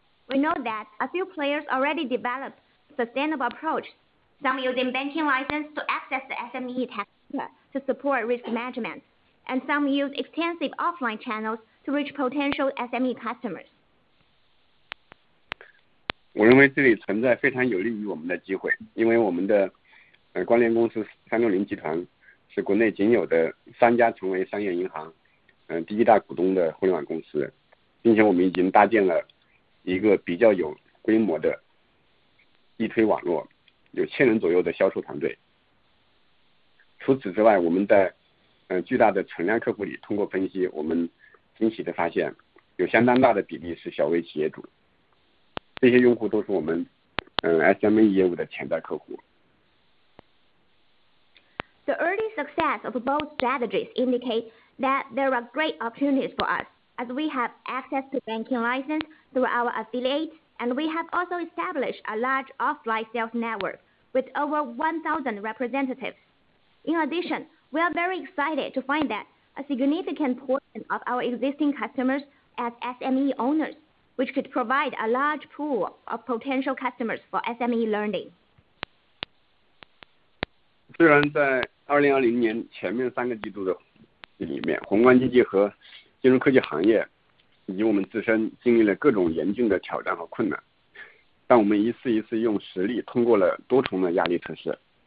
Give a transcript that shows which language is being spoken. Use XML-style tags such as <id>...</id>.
<en>We know that a few players already developed sustainable approach, some using banking license to access the SME tax to support risk management, and some use extensive offline channels to reach potential SME customers.</en> <zh>我认为这里存在非常有利于我们的机会，因为我们的关联公司360集团是国内仅有的3家成为商业银行第一大股东的互联网公司，并且我们已经搭建了一个比较有规模的地推网络，有1000人左右的销售团队。除此之外，我们在巨大的存量客户里，通过分析，我们惊喜地发现，有相当大的比例是小微企业主。这些用户都是我们SME 业务的潜在客户。</zh> <en>The early success of both strategies indicate that there are great opportunities for us, as we have access to banking license through our affiliates, and we have also established a large offline sales network with over 1,000 representatives. In addition, we are very excited to find that a significant portion of our existing customers as SME owners, which could provide a large pool of potential customers for SME lending.</en> <zh>虽然在2020年前面3个季度的里面，宏观经济和金融科技行业以及我们自身经历了各种严峻的挑战和困难，但我们一次一次用实力通过了多重的压力测试。</zh>